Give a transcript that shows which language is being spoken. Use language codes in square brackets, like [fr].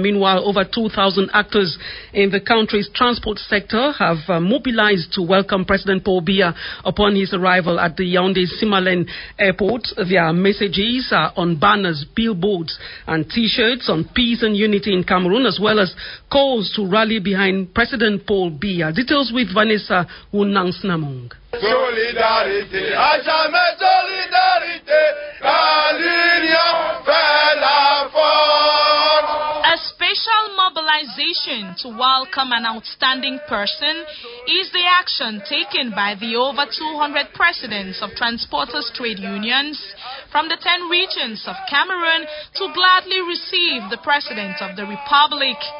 [en] Meanwhile, over 2,000 actors in the country's transport sector have mobilized to welcome President Paul Biya upon his arrival at the Yaoundé Simalén Airport. Their messages are on banners, billboards, and T-shirts on peace and unity in Cameroon, as well as calls to rally behind President Paul Biya. Details with Vanessa Wunangsnamong. [fr] Solidarité, à jamais solidarité, la lumière fait la force. [en] A special mobilization to welcome an outstanding person is the action taken by the over 200 presidents of transporters trade unions from the 10 regions of Cameroon to gladly receive the President of the Republic.